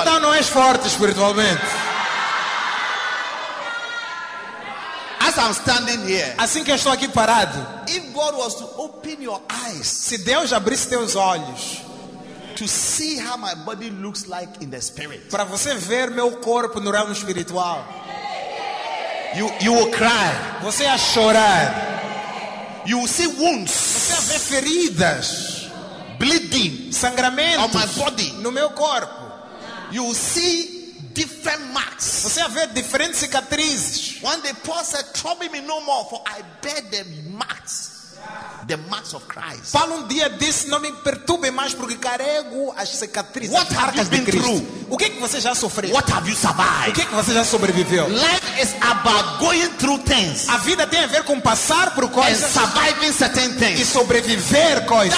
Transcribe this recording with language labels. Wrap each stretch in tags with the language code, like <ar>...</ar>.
<pt>Então não és forte espiritualmente.</pt> <en>As I'm standing here,</en> <pt>assim que eu estou aqui parado,</pt> <en>if God was to open your eyes,</en> <pt>se Deus abrisse teus olhos,</pt> <en>to see how my body looks like in the spirit,</en> <pt>para você ver meu corpo no reino espiritual,</pt> <en>you will cry,</en> <pt>você ia chorar,</pt> <en>you will see wounds,</en> <pt>você vai ver feridas.</pt> <en>Bleeding,</en> <pt>sangramento</pt> <en>on my body,</en> <pt>no meu corpo.</pt> <en>You will see different marks.</en> <pt>Você vai ver diferentes cicatrizes.</pt> <en>When the Paul said, "Trouble me no more, for I bear the marks of Christ."</en> <pt>Paulo um dia disse, "Não me perturbe mais, porque carrego as cicatrizes."</pt> <en>What have you been through?</en> <pt>O que é que você já sofreu?</pt> <en>What have you survived?</en> <pt>O que é que você já sobreviveu?</pt> <en>Life is about going through things.</en> <pt>A vida tem a ver com passar por coisas</pt> <en>and surviving certain things.</en> <pt>E sobreviver coisas.</pt>